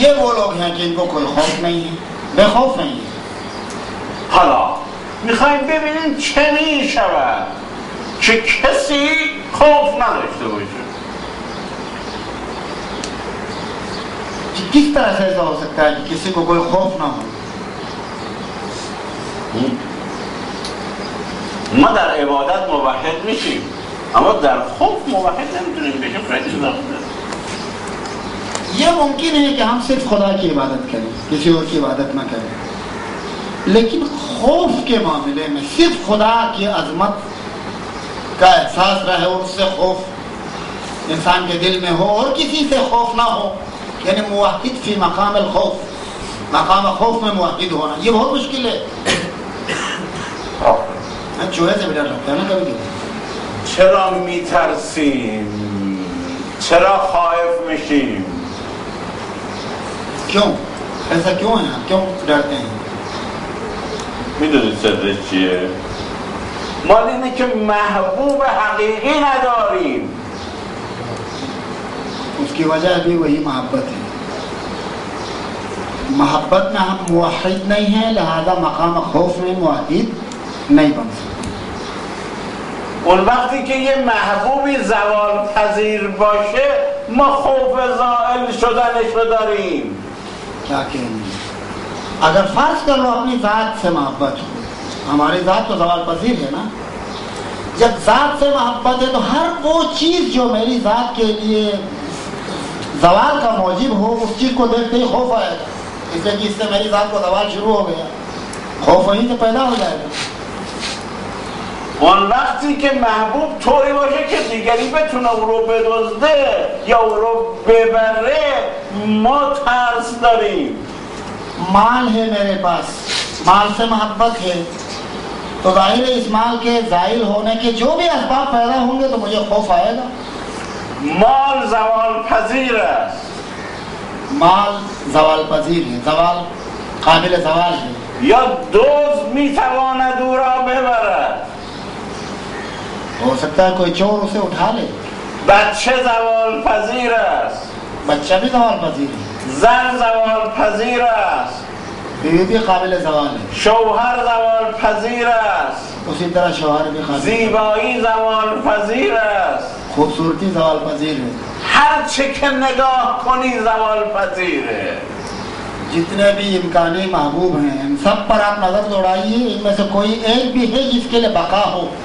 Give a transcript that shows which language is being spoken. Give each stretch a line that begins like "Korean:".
Urdu: یہ وہ لوگ ہیں جن کو کوئی خوف نہیں ہے، بے خوف نہیں ہے.
Persian: حالا میخوایم ببینیم چه میشود که کسی خوف نداشته باشه.
Urdu: کس طرح سے ایسا ہو سکتا ہے کہ کسی کو کوئی خوف نہ ہو؟
Persian: ما در عبادت موحد میشیم اما در خوف موحد نمیتونیم بشیم.
Urdu: یہ ممکن ہے کہ ہم صرف خدا کی عبادت کریں، کسی اور کی عبادت نہ کریں، لیکن خوف کے معاملے میں صرف خدا کی عظمت کا احساس رہے اور اس سے خوف انسان کے دل میں ہو اور کسی سے خوف نہ ہو، یعنی
Arabic: موحد فی مقام الخوف،
Urdu: مقام خوف میں موحد ہونا، یہ بہت مشکل ہے. چوہے سے بھی ڈر لگتا ہے نا کبھی کبھی.
Persian: چرا میترسیم؟ چرا خائف میشیم؟
Urdu: کیوں ایسا کیوں ہے؟ کیوں ڈرتے ہیں؟
Persian: میدونی سرش چیه؟ مال اینه که محبوب حقیقی نداریم.
Urdu: اس کی وجہ بھی وہی محبت ہے. محبت میں ہم موحد نہیں ہیں، لہذا مقام خوف میں موحد نہیں بن سکتے.
Persian: اون وقتی که یه محبوبی زوال پذیر باشه، ما خوف زائل شدنش رو داریم.
Urdu: کیا کہیں گے؟ اگر فرض کر لو اپنی ذات سے محبت ہو، ہماری ذات تو زوال پذیر ہے نا، جب ذات سے محبت ہے تو ہر وہ چیز جو میری ذات کے لیے زوال کا موجب ہو، اس چیز کو دیکھتے ہی خوف آئے گا، اس لیے کہ اس سے میری ذات کو زوال شروع ہو گیا، خوف وہیں سے پیدا ہو جائے گا.
Persian: اون وقتی که محبوب طوری باشه که دیگری بتونه او رو بدزده یا او رو ببره، ما ترس داریم.
Urdu: مال ہے میرے پاس، مال سے محبت ہے، تو ظاہر ہے اس مال کے زائل ہونے کے جو بھی اسباب پیدا ہوں گے تو مجھے خوف آئے گا. مال زوال پذیر ہے، مال زوال پذیر ہے، زوال قابل زوال ہے.
Persian: یا دوز میتواند او را ببرد،
Urdu: ہو سکتا ہے کوئی چور اسے اٹھا لے.
Persian: بچه زوال پذیر است،
Urdu: بچه بھی زوال پذیر ہے.
Persian: زن زوال پذیر است،
Urdu: بیوی بھی قابل زوال ہے.
Persian: شوهر زوال پذیر است،
Urdu: اسی طرح شوهر بھی قابل.
Persian: زیبایی زوال پذیر است،
Urdu: خوبصورتی زوال پذیر ہے.
Persian: هر چه که نگاه کنی زوال پذیر ہے.
Urdu: جتنے بھی امکانی محبوب ہیں ان سب پر آپ نظر دوڑائیے، ان میں سے کوئی ایک بھی ہے جس کے لیے بقا ہو؟